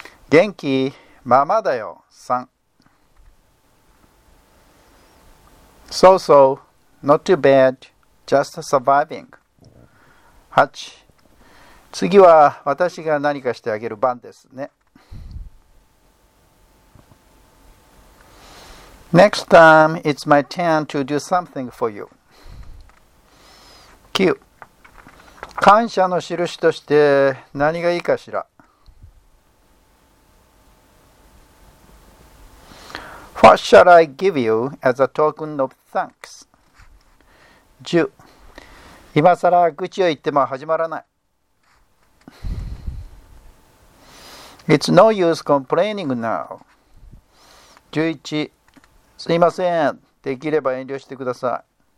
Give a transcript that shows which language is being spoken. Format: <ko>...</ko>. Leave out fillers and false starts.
<ja>元気ままだよ。3.</ja> <en>So-so. Not too bad. Just surviving. 8.</en> <ja>次は私が何かしてあげる番ですね。</ja> <en>Next time, it's my turn to do something for you. 9.</en> <ja>感謝の印として何がいいかしら?</ja> <en>What shall I give you as a token of thanks? 10.</en> <ja>今さら愚痴を言っても始まらない。</ja> <en>It's no use complaining now. 11.</en> <ja>すいません。できれば遠慮してください。</ja>